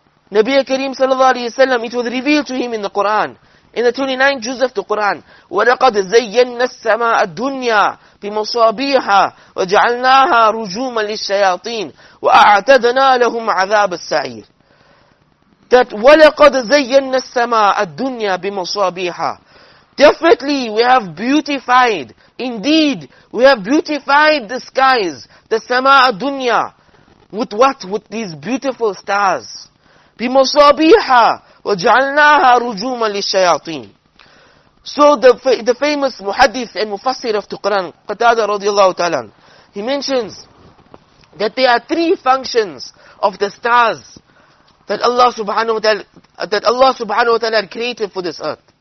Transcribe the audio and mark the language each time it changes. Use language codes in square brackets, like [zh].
[en] Nabi Kareem sallallahu alayhi wa sallam, it was revealed to him in the Qur'an, in the 29th juz of the Qur'an, [ar] وَلَقَدْ زَيَّنَّا السَّمَاءَ الدُّنْيَا بِمَصَابِيحَا وَجَعَلْنَاهَا رُجُومًا لِلشَّيَاطِينَ وَأَعْتَدْنَا لَهُمْ عَذَابَ السَّعِيرِ. That وَلَقَدْ زَيَّنَّا السَّمَاءَ الدُّنْيَا بِمَصَابِيحَا. [en] Definitely we have beautified, indeed we have beautified the skies, the sama'a dunya, with what? With these beautiful stars. [ar] بِمَصَابِيحَا وَجَعَلْنَاهَا رُجُومًا لِلشَّيَاطِينَ. [en] So the famous muhadith and mufassir of the Qur'an, Qatada radiallahu ta'ala, he mentions that there are three functions of the stars that Allah subhanahu wa ta'ala created for this earth.